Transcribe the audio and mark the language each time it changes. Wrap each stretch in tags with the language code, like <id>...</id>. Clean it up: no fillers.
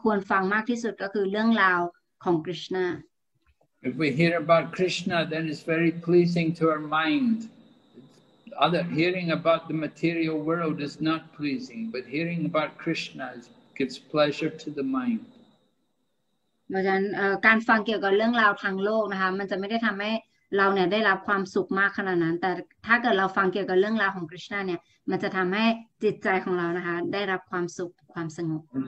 <th>เพราะฉะนั้นผู้คนนะคะก็จะมีความกระตือรือร้นมากในการที่จะฟังหรือว่ารู้เรื่องคนอื่นนะคะอาจจะมีใครมาบอกเธอรู้เรื่องนี้หรือยังเราก็จะอยากรู้อยากเห็นนะคะแต่ความจริงก็คือเรื่องที่เราควรฟังมากที่สุดก็คือเรื่องราวของคริชนา</th> <en>If we hear about Krishna, then it's very pleasing to our mind. Other hearing about the material world is not pleasing, but hearing about Krishna gives pleasure to the mind.</en> <th>การฟังเกี่ยวกับเรื่องราวทางโลกนะคะมันจะไม่ได้ทำให้เราเนี่ยได้รับความสุขมากขนาดนั้นแต่ถ้าเกิดเราฟังเกี่ยวกับเรื่องราวของคริชนาเนี่ยมันจะทำให้จิตใจของเรานะคะได้รับความสุขความสงบ</th>